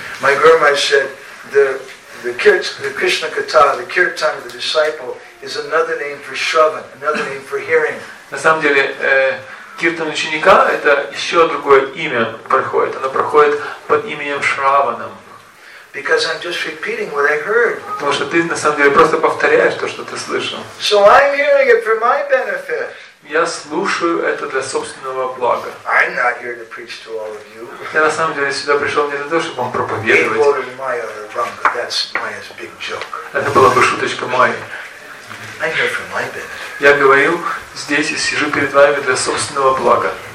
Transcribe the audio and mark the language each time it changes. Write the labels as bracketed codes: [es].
[en] My grandma said the Krishna katha, the kirtan of the disciple, is another name for shravan, another name for hearing. [ru] На самом деле киртан ученика это еще другое имя проходит. Оно проходит под именем шраванам. [en] Because I'm just repeating what I heard. [ru] Потому что ты на самом деле просто повторяешь то, что ты слышал. [en] So I'm hearing it for my benefit. [ru] Я слушаю это для собственного блага. [en] I'm not here to preach to all of you. [ru] Я на самом деле сюда пришел не для того, чтобы вам проповедовать. [en] It was Maya's wrong, but that's Maya's big joke. [ru] Это была бы шуточка Майи. [en] I'm here for my benefit. [ru] Я говорю здесь и сижу перед вами для собственного блага.